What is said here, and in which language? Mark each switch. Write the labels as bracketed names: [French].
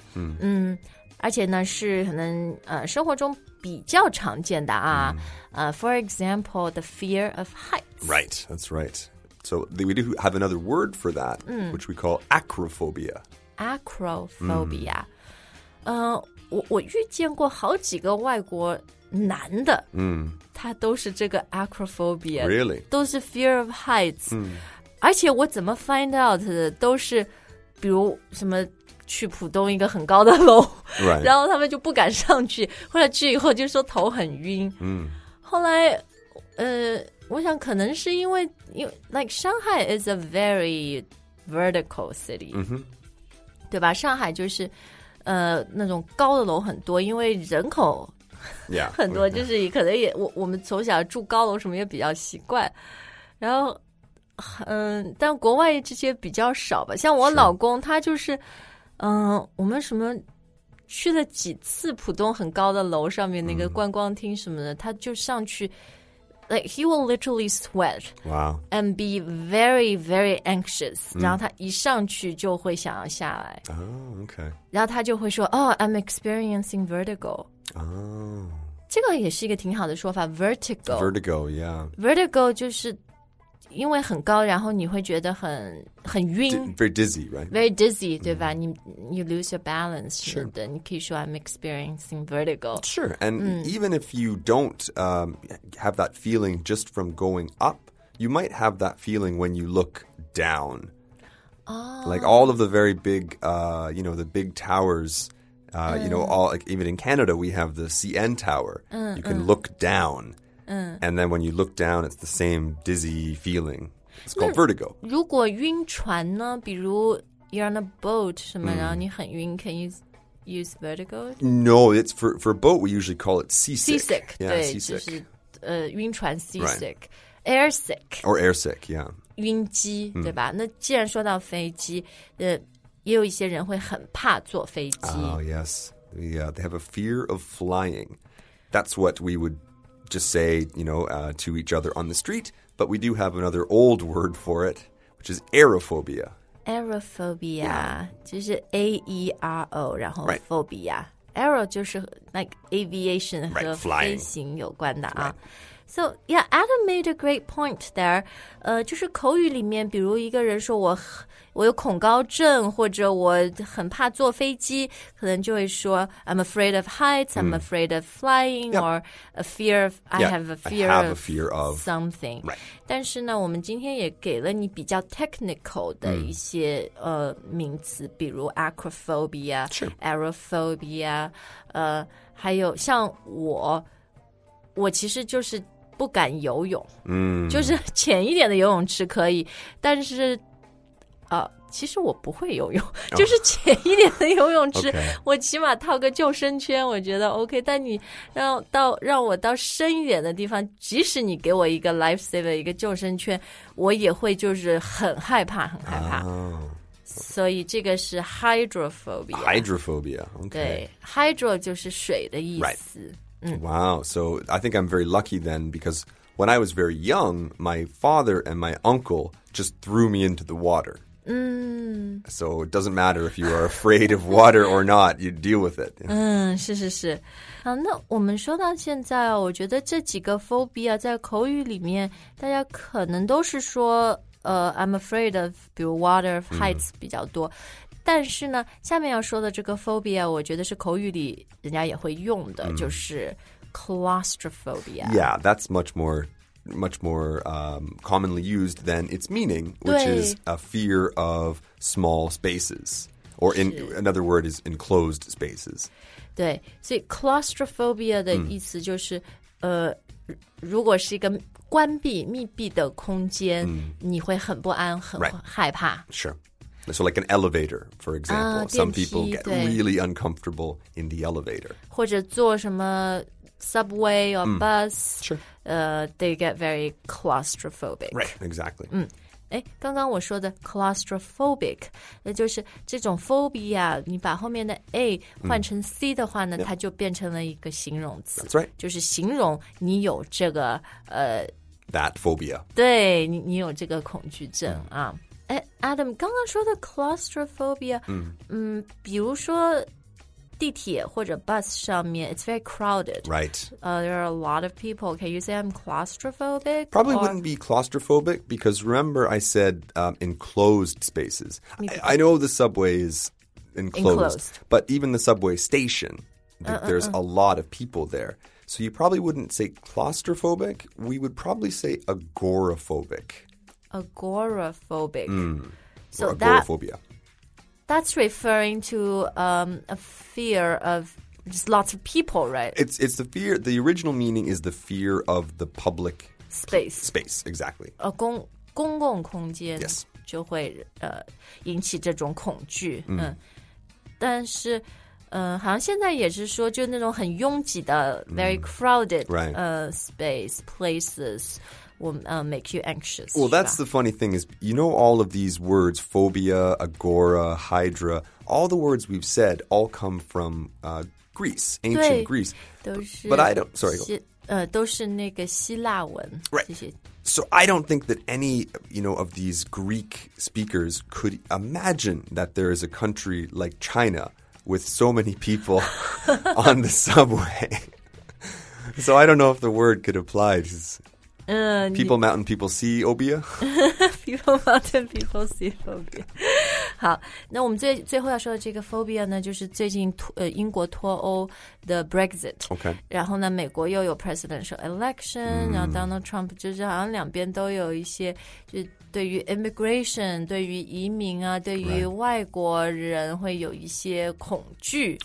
[Chinese] mm. 嗯而且呢是可能、生活中比较常见的啊、mm. [English] For example, the fear of heights Right, that's right So we do have another word for that、 mm. Which we call acrophobia Acrophobia、mm. [Chinese] 我遇见过好几个外国男的、 mm. 他都是这个 acrophobia [English] Really? [Chinese] 都是 fear of heights、 mm. 而且我怎么 [English] find out [Chinese] 的都是比如什么去浦东一个很高的楼、 [English] right. [Chinese] 然后他们就不敢上去后来去以后就说头很晕、 mm. 后来我想可能是因为 [English] like Shanghai is a very vertical city、 mm-hmm. [Chinese] 对吧上海就是那种高的楼很多因为人口、 [English] yeah. [Chinese] 很多就是可能也 我们从小住高楼什么也比较习惯然后但国外这些比较少吧像我老公他就是我们什么去了几次浦东很高的楼上面那个观光厅什么的、mm. 他就上去 [English] like he will literally sweat Wow. and be very very anxious、mm. [Chinese] 然后他一上去就会想要下来 [English] Oh, okay. [Chinese] 然后他就会说 [English] Oh, I'm experiencing vertigo Oh. [Chinese] 这个也是一个挺好的说法 Vertigo [English] Vertigo, yeah [Chinese] Vertigo 就是因为很高然后你会觉得很晕 [English] Very dizzy, right? Very dizzy, [Chinese] 对吧、 [English] mm-hmm. you lose your balance Sure [Chinese] 是的你可以说 [English] I'm experiencing vertigo Sure, and、mm. even if you don't、have that feeling just from going up You might have that feeling when you look down、 oh. Like all of the very big,、you know, the big towers、mm. You know, all, like, even in Canada we have the CN Tower、 mm-hmm. You can look down Mm. And then when you look down, it's the same dizzy feeling. It's called vertigo. [Chinese] 如果晕船呢比如 [English] you're on a boat, [Chinese] 什么、mm. 然后你很晕 [English] can you use vertigo? No, it's for a boat, we usually call it seasick. Seasick, yeah, [Chinese] 对 [English] seasick. [Chinese] 就是、晕船 seasick.、 [English] Right. Airsick. Or airsick, yeah. [Chinese] 晕机、mm. 对吧那既然说到飞机、也有一些人会很怕坐飞机。 [English] Oh, yes. Yeah, they have a fear of flying. That's what we would... just say, you know,、to each other on the street, but we do have another old word for it, which is aerophobia. Aerophobia,、 yeah. [Chinese] 就是 A-E-R-O, 然后 phobia.、 [English] Right. [Chinese] Aero 就是 like aviation 和、 [English] right. [Chinese] 飞行有关的啊。 [English] Right. So, yeah, Adam made a great point there.、 [Chinese] 就是口语里面比如一个人说我有恐高症或者我很怕坐飞机可能就会说 [English] I'm afraid of heights,、 [Chinese] mm. [English] I'm afraid of flying、 yep. or a fear of, yeah, I have, a fear of something. Right. [Chinese] 但是呢我们今天也给了你比较 technical 的一些、mm. 名词比如 acrophobia,、 [English] sure. [Chinese] aerophobia,、还有像我其实就是不敢游泳、 mm. 就是浅一点的游泳池可以但是其实我不会游泳、 oh. 就是浅一点的游泳池、 [English] okay. [Chinese] 我起码套个救生圈我觉得 OK 但你让我到深一点的地方即使你给我一个 lifesaver 一个救生圈我也会就是很害怕、 oh. 所以这个是 hydrophobia [English] hydrophobia、okay. [Chinese] 对 hydro 就是水的意思、 [English] right. 嗯、 Wow so I think I'm very lucky then because when I was very young my father and my uncle just threw me into the water Mm. So it doesn't matter if you are afraid of water or not, you deal with it. [Chinese] 嗯，是是是。好，那我们说到现在，我觉得这几个 phobia 在口语里面，大家可能都是说， [English] I'm afraid of, [Chinese] 比如 water, heights 比较多。但是呢，下面要说的这个 phobia， 我觉得是口语里人家也会用的，就是 claustrophobia。 [English] Yeah, that's much more commonly used than its meaning, which is a fear of small spaces. Or in another word is enclosed spaces. [Chinese] 对，所以 claustrophobia 的意思就是、mm. 如果是一个关闭密闭的空间、mm. 你会很不安很、 [English] right. [Chinese] 害怕。 [English] Sure. So like an elevator, for example. Some people get really uncomfortable in the elevator. [Chinese] 或者坐什么subway or bus. [English] Sure. They get very claustrophobic. Right, exactly. [Chinese] 刚刚我说的 claustrophobic, 也就是这种 phobia, 你把后面的 a 换成 c 的话呢、它就变成了一个形容词。 [English] That's right. [Chinese] 就是形容你有这个 [English] That phobia. [Chinese] 对 你有这个恐惧症啊。 Adam, 刚刚说的 claustrophobia, 比如说地铁或者 bus 上面 [English] it's very crowded. Right. There are a lot of people. Can you say I'm claustrophobic? Probably wouldn't be claustrophobic because remember I said enclosed spaces. I know the subway is enclosed. But even the subway station, there's a lot of people there. So you probably wouldn't say claustrophobic. We would probably say agoraphobic. Agoraphobic. So agoraphobia. That's referring to a fear of just lots of people, right? It's the fear, the original meaning is the fear of the public space. Space, exactly. [Chinese] 公共空间、 [English] yes. [Chinese] 就会引起这种恐惧。但是好像现在也是说就那种很拥挤的 [English] very crowded、 right. Space, places. Will make you anxious. Well, that's the funny thing is, you know all of these words, phobia, agora, hydra, all the words we've said all come from Greece, ancient Greece. But I don't, sorry. [Chinese] 都是那个希腊文。 [English] Right. So I don't think that any, you know, of these Greek speakers could imagine that there is a country like China with so many people on the subway. So I don't know if the word could apply to... People mountain, people see phobia. People mountain, people see phobia. [Chinese] 好，那我们最后要说的这个 phobia 呢，就是最近英国脱欧的 Brexit. [English] Okay. [Chinese] 然后呢，美国又有 presidential election,、然后 Donald Trump 就是好像两边都有一些，就对于 immigration, 对于移民啊，对于外国人会有一些恐惧。